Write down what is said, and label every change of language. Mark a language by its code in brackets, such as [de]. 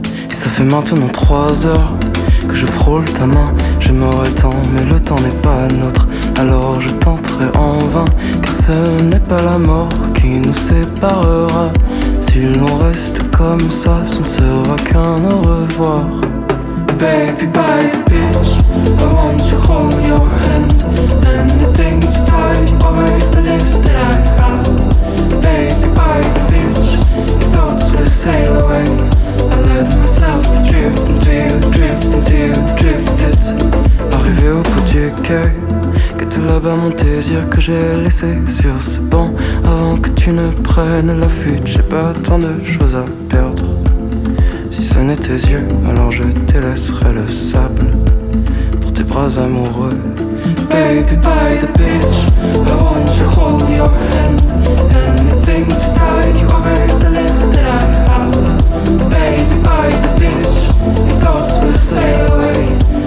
[fr] Et ça fait maintenant 3 heures que je frôle ta main. Je me retends, mais le temps n'est pas notre. Alors je tenterai en vain, car ce n'est pas la mort qui nous séparera. Si l'on reste comme ça, ce ne sera qu'un au revoir. [en] Baby, by the beach, I want to hold your hand. Anything to tide over the list that I have. Baby, by the beach, your thoughts will sail away. I let myself be drifting to you, drifting to you, drifted. [fr] Arrivé au bout du quai, là-bas mon désir que j'ai laissé sur ce banc. Avant que tu ne prennes la fuite, j'ai pas tant de choses à perdre. Si ce n'est tes yeux, alors je te laisserai le sable pour tes bras amoureux. [en] Baby, by the beach, I want to hold your hand. Anything to tide you over the list that I have. Baby, by the beach, your thoughts will sail away.